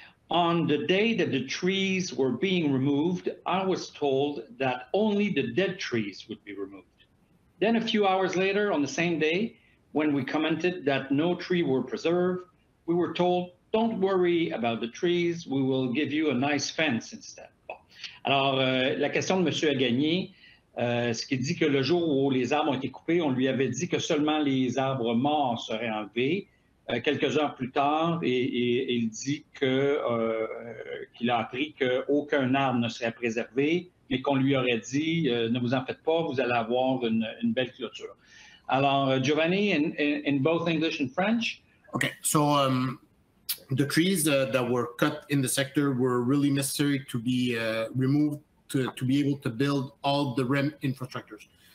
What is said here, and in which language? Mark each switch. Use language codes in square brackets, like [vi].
[en] On the day that the trees were being removed, I was told that only the dead trees would be removed. Then a few hours later, on the same day, when we commented that no tree were preserved, we were told, don't worry about the trees, we will give you a nice fence instead. [fr] Bon. Alors, la question de M. Agagnier. Ce qui dit que le jour où les arbres ont été coupés, on lui avait dit que seulement les arbres morts seraient enlevés. Quelques heures plus tard, et il dit qu'il a appris qu'aucun arbre ne serait préservé, mais qu'on lui aurait dit « ne vous en faites pas, vous allez avoir une belle clôture ». [en] Alors, Giovanni, in both English and French? Okay, so the trees that were cut in the sector were really necessary to be removed to be able to build all the REM infrastructures.